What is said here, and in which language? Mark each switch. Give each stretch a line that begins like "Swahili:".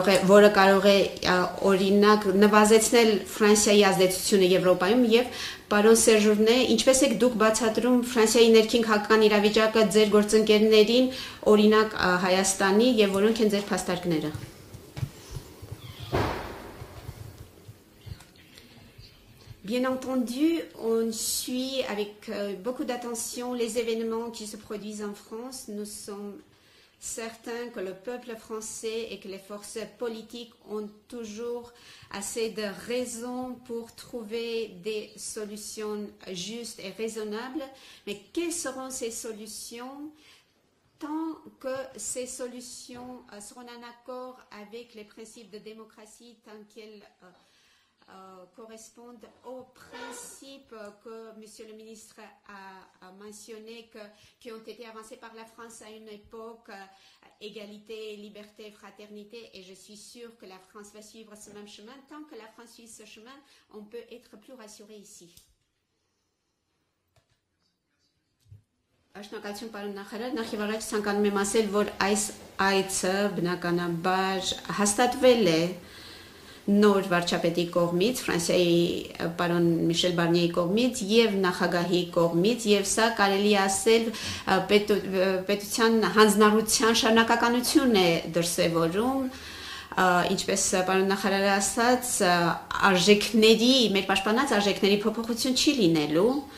Armenian: որը կարող է օրինակ նվազեցնել Ֆրանսիայի ազդեցությունը Եվրոպայում, և պարոն Սերժուրնե, ինչպես եք դուք բացատրում Ֆրանսիայի ներքին քաղաքական իրավիճակը ձեր գործընկերներին, օրինակ Հայաստանի, և որոնք են ձեր փաստարկները։ Bien entendu, on suit avec beaucoup d'attention les événements qui se produisent en France.
French: Nous sommes certains que le peuple français et que les forces politiques ont toujours assez de raisons pour trouver des solutions justes et raisonnables. Mais quelles seront ces solutions tant que ces solutions seront en accord avec les principes de démocratie tant qu'elles correspondent aux principes que Monsieur le ministre a mentionné, qui ont été avancés par la France à une époque, égalité, liberté, fraternité, et je suis sûre que la France va suivre ce même chemin. Tant que la France suit ce chemin, on peut être plus rassuré ici.
Armenian: Շնորհակալություն, պարոն նախարար, նախև առաջ ցանկանում եմ ասել, որ այս այցը բնականաբար հաստատվել է նոր վարչապետի կողմից, Ֆրանսիայի պարոն Միշել Բարնիեի կողմից և նախագահի կողմից, և սա կարելի ասել պետության հանձնարարության շարունակականություն է դրսևորում, ինչպես պարոն նախարարը ասաց, արժեքների, մեր պաշտպանած արժեքների փոփոխություն չի լինելու,